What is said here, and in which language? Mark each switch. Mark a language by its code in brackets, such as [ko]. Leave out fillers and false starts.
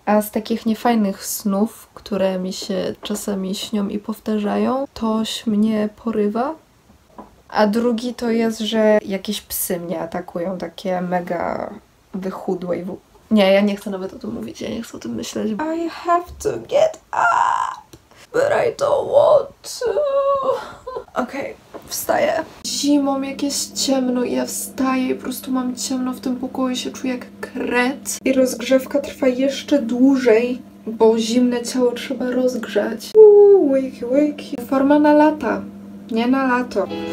[pl] A z takich niefajnych snów, które mi się czasami śnią i powtarzają, toś mnie porywa. A drugi to jest, że jakieś psy mnie atakują, takie mega wychudłe i nie, ja nie chcę nawet o tym mówić, ja nie chcę o tym myśleć. [en] I have to get up, but I don't want to. [pl] Okej, wstaję. Zimą, jakieś ciemno i ja wstaję i po prostu mam ciemno w tym pokoju i się czuję jak kret. I rozgrzewka trwa jeszcze dłużej, bo zimne ciało trzeba rozgrzać. [en] Wakey, wakey. [pl] Forma na lata, nie na lato.